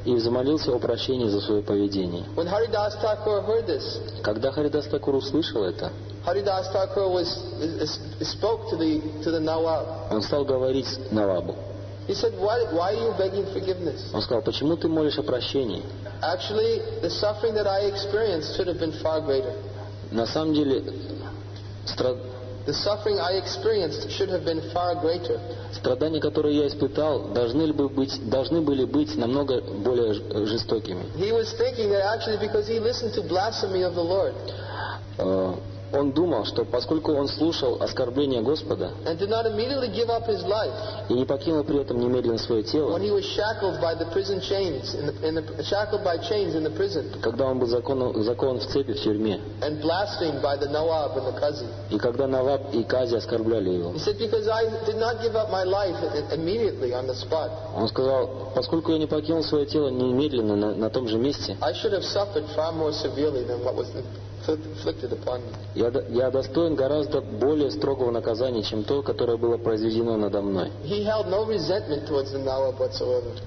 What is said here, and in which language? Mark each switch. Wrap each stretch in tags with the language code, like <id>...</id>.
<ru>И взмолился о прощении за свое поведение.</ru> <en>When Haridas Thakur heard this,</en> <ru>когда Харидас Такур услышал это,</ru> <en>Haridas Thakur spoke to the Nawab.</en> <ru>Он стал говорить с Навабу.</ru> <en>He said, why are you begging forgiveness?</en> <ru>Он сказал, почему ты молишь о прощении?</ru> <en>Actually, the suffering that I experienced should have been far greater.</en> <ru>На самом деле,</ru> <en>the suffering I experienced should have been far greater.</en> <ru>Страдания, которые я испытал, должны были быть намного более жестокими.</ru> <en>He was thinking that actually because he listened to blasphemy of the Lord.</en> <ru>Он думал, что поскольку он слушал оскорбления Господа,</ru> <en>and did not immediately give up his life,</en> <ru>и не покинул при этом немедленно свое тело,</ru> <en>when he was shackled by the prison chains, shackled by chains in the prison,</en> <ru>когда он был закован в цепи в тюрьме,</ru> <en>and blasphemed by the Nawab and the Qazi,</en> <ru>и когда Наваб и Кази оскорбляли его,</ru> <en>he said, because I did not give up my life immediately on the spot.</en> <ru>Он сказал, поскольку я не покинул свое тело немедленно на том же месте,</ru> <en>I should have suffered far more severely than what was inflicted upon me.</en> <ru>Я достоин гораздо более строгого наказания, чем то, которое было произведено надо мной.</ru> <en>He held no resentment towards the Nawab whatsoever.</en>